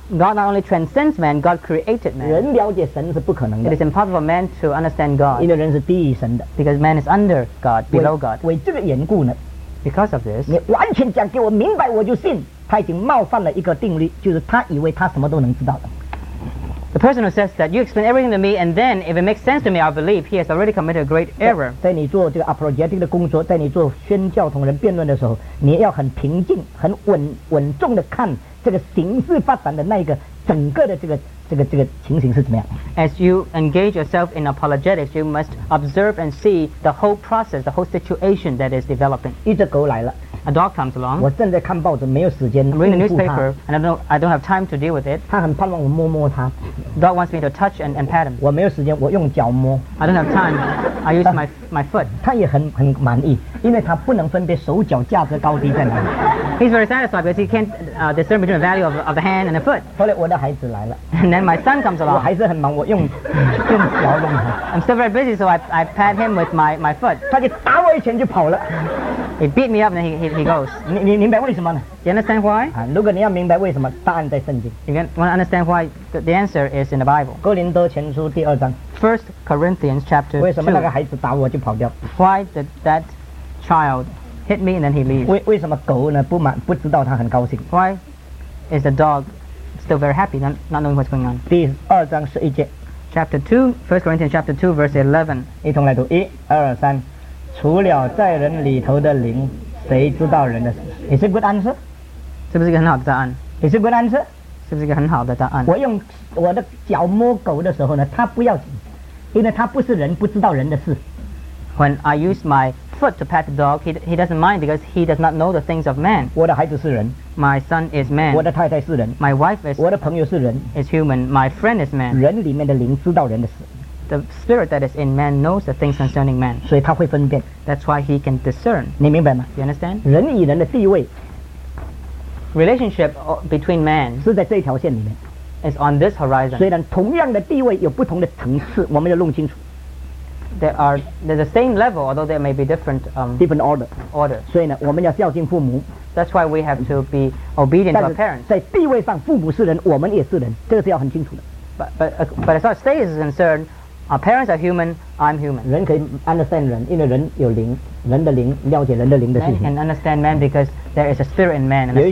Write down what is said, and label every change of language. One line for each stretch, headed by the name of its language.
English: God not only transcends man, God created man.
Chinese: 人了解神是不可能的,
English: it is impossible for man to understand God,
Chinese: 因为人是低于神的,
English: because man is under God, below God.
Chinese: 为这个缘故呢,
English: because of this,
Chinese: 你完全讲给我明白我就信, 他已经冒犯了一个定律, 就是他以为他什么都能知道的。
English: The person who says that, you explain everything to me, and then if it makes sense to me, I believe, he has already committed a great error.
Chinese: 在你做这个apologetic的工作, 在你做宣教同人辩论的时候, 你要很平静, 很稳重地看这个形势发展的那个整个的这个情形是怎么样。
English: As you engage yourself in apologetics, you must observe and see the whole process, the whole situation that is developing.
Chinese: 一只狗来了,
English: a dog comes along.
Chinese: 我正在看报纸, 没有时间,
English: I'm reading the newspaper, and I don't have time to deal with it.
Chinese: 他很盼望我摸摸他。
English: Dog wants me to touch and pat him.
Chinese: 我没有时间, 我用脚摸。
English: I don't have time. I use my foot.
Chinese: 他也很满意, 因为他不能分别手脚价值高低在哪里。
English: He's very satisfied because he can't discern between the value of the hand and the foot.
Chinese: 后来我的孩子来了。
English: And then my son comes along.
Chinese: 我还是很忙, 我用脚弄他。
English: I'm still very busy, so I pat him with my foot.
Chinese: 他就打我一拳就跑了。
English: He beat me up and he goes.
Chinese: 你明白为什么呢?
English: You understand why?
Chinese: 如果你要明白为什么, 答案在圣经。
English: You want to understand why? The answer is in the Bible.
Chinese: 哥林多前书第二章。
English: First Corinthians chapter
Chinese: 为什么那个孩子打我就跑掉?
English: Why did that child hit me and then he leaves?
Chinese: 为什么狗呢?不知道他很高兴。
English: Why is the dog still very happy, not knowing what's going on?
Chinese: 第二章十一节。
English: Chapter 2, First Corinthians chapter 2, verse 11.
Chinese: 一同来读, 一二三。除了在人里头的灵, 谁知道人的事?
English: Is it a good answer?
Chinese: 是不是一个很好的答案?
English: Is it a good answer?
Chinese: 是不是一个很好的答案? 我用我的脚摸狗的时候呢, 它不要紧, 因为它不是人, 不知道人的事。
English: When I use my foot to pat the dog, he doesn't mind because he does not know the things of man.
Chinese: 我的孩子是人,
English: my son is man.
Chinese: 我的太太是人,
English: my wife is,
Chinese: 我的朋友是人,
English: is human. My friend is man.
Chinese: 人里面的灵知道人的事。
English: The spirit that is in man knows the things concerning man.
Chinese: 所以他会分辨。
English: That's why he can discern.
Chinese: 你明白吗?
English: You understand?
Chinese: 人与人的地位,
English: relationship between man,
Chinese: 是在这条线里面,
English: is on this horizon.
Chinese: 虽然同样的地位有不同的层次, 我们要弄清楚。
English: There's the same level, although there may be different different order.
Chinese: 所以呢, 我们要孝敬父母。
English: That's why we have to be obedient to our parents.
Chinese: 在地位上, 父母是人, 我们也是人, 这个是要很清楚的。
English: But as far as status is concerned, our parents are human, I'm human.
Chinese: 人可以 understand 人, 因为人有灵, 人的灵, 了解人的灵的事情。
English: Man can understand man because there is a spirit in man.